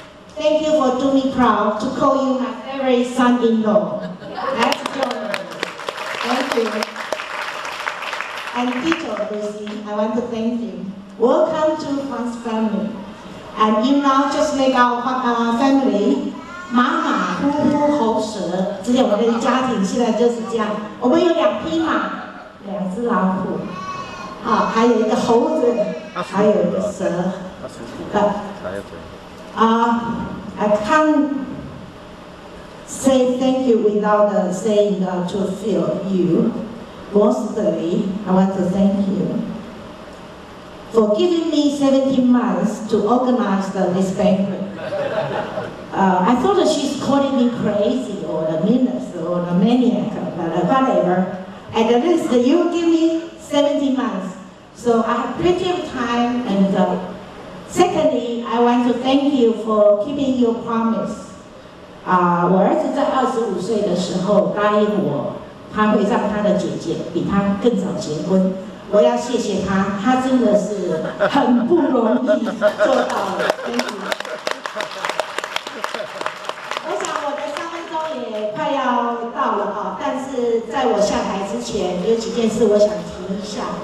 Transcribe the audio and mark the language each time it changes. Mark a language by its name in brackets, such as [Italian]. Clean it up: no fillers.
[English] Thank you for doing me proud to call you my favorite son-in-law. That's John. Thank you. And Tito, Lucy, I want to thank you. Welcome to Fun's family. And you now just make our family, [Chinese] Mama, Hu Hu, Hou Shi. 之前我们的家庭现在就是这样。我们有两匹马，两只老虎，好，还有一个猴子，还有一个蛇。 [English] I can't say thank you without saying to feel you. Mostly, I want to thank you for giving me 17 months to organize this banquet. I thought she's calling me crazy or the meanest or the maniac, but whatever. At least you give me 17 months. So I have plenty of time. And secondly, I want to thank you for keeping your promise. [Chinese] 我儿子在25岁的时候答应我他会让他的姐姐比他更早结婚，我要谢谢他，他真的是很不容易做到了。 [English] Thank you. [Chinese] 我想我的三分钟也快要到了，但是在我下台之前有几件事我想提一下。